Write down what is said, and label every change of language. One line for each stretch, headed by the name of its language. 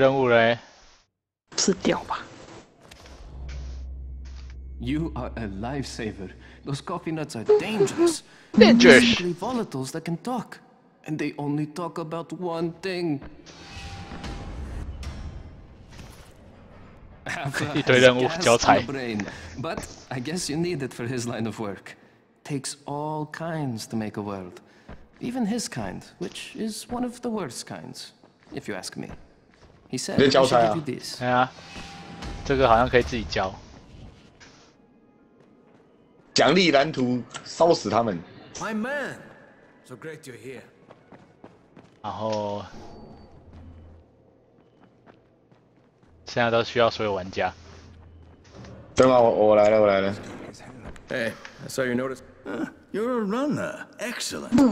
Chinese: 没有一堆东西了，超多东西耶，一堆任务嘞，死掉吧
English: ！You are a lifesaver. Those coffee nuts are dangerous. Dangerous. Simply volatiles that can talk, and they only talk about one thing.
Chinese: 一堆任务交差
English: ，But I guess you need it for his line of work. Takes all kinds to make a world. Even his kind, which is one of the worst kinds, if you ask me. He said he should do this.
Chinese: 对啊，这个好像可以自己教。奖励蓝图，烧死他们。
English: My man, so great you're here.
Chinese: 然后现在都需要所有玩家。真的，我来了，我来了。
English: Hey, I saw your notice. You're a runner. Excellent.